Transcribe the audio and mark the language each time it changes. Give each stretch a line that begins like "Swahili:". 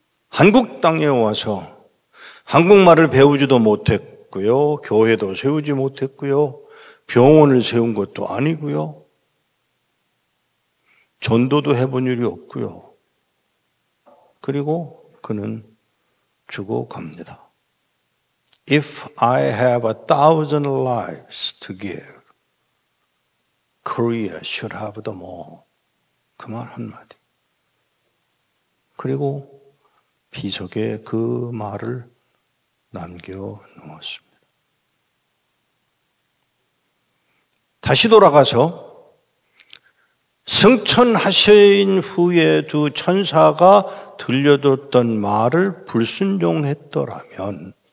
Korean: 한국 땅에 와서 한국말을 배우지도 못했고요. 교회도 세우지 못했고요. 병원을 세운 것도 아니고요. 전도도 해본 일이 없고요. 그리고 그는 죽어 갑니다.
English: If I have 1,000 lives to give, Korea should have the more.
Korean: 그 말 한마디. 그리고 비석에 그 말을 남겨 놓았습니다. 다시 돌아가서 승천하신 후에 두 천사가 들려줬던 말을 불순종했더라면,